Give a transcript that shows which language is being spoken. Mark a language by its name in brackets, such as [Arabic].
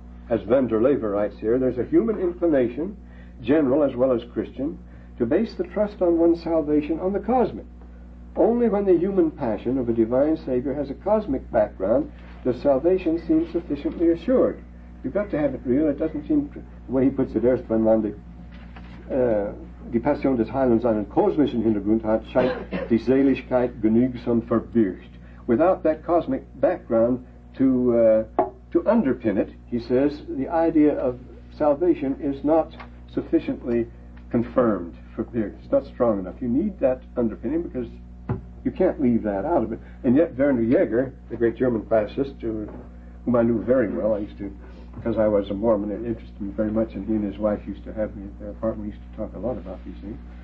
[English] As van der Leyva writes here, there's a human inclination, general as well as Christian, to base the trust on one's salvation on the cosmic. Only when the human passion of a divine savior has a cosmic background does salvation seem sufficiently assured. You've got to have it real. It doesn't seem, the way he puts it, [German] erst wenn man die Passion des Heilens einen kosmischen Hintergrund hat, scheint die Seligkeit genügsam verbürgt. [English] Without that cosmic background to underpin it, he says, the idea of salvation is not sufficiently confirmed, verbürgt. It's not strong enough. You need that underpinning because you can't leave that out of it. And yet Werner Jaeger, the great German classicist, whom I knew very well, I used to, because I was a Mormon, it interested me very much, and he and his wife used to have me at their apartment. We used to talk a lot about these things.